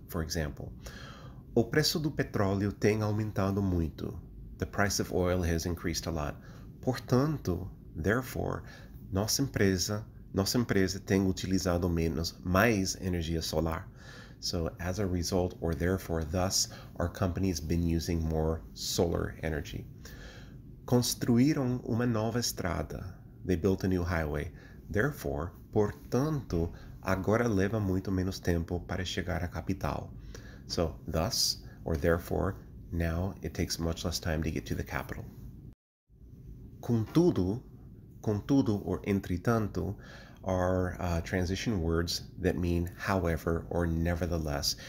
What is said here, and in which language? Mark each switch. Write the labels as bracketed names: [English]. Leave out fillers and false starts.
[English] For example, [Portuguese] o preço do petróleo tem aumentado muito. [English] The price of oil has increased a lot. [Portuguese] Portanto, therefore, nossa empresa tem utilizado mais energia solar. [English] So, as a result, or therefore, thus, our company has been using more solar energy. [Portuguese] Construíram uma nova estrada. [English] They built a new highway. [Portuguese] Therefore, portanto, agora leva muito menos tempo para chegar à capital. [English] So, thus, or therefore, now it takes much less time to get to the capital. Contudo, or entretanto, are transition words that mean however or nevertheless.